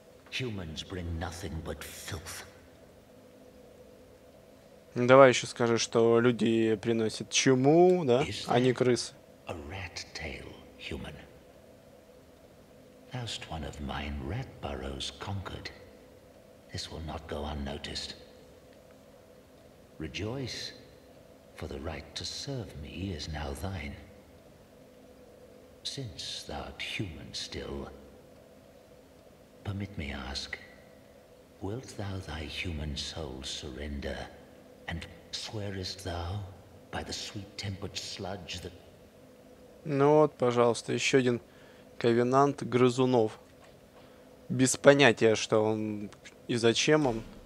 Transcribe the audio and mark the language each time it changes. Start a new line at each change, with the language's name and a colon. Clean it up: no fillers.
English: Humans bring nothing but filth.
Russian: Давай еще скажи, что люди приносят чуму, да, а не крысы.
English: A rat-tail human. Last one of mine rat burrows conquered. This will not go unnoticed. Rejoice, for the right to serve me is now thine. Since thou art human still, permit me ask, wilt thou thy human soul surrender, and swearest thou by the sweet-tempered sludge that...
Russian: Ну вот, пожалуйста, еще один ковенант грызунов. Без понятия, что он и зачем он.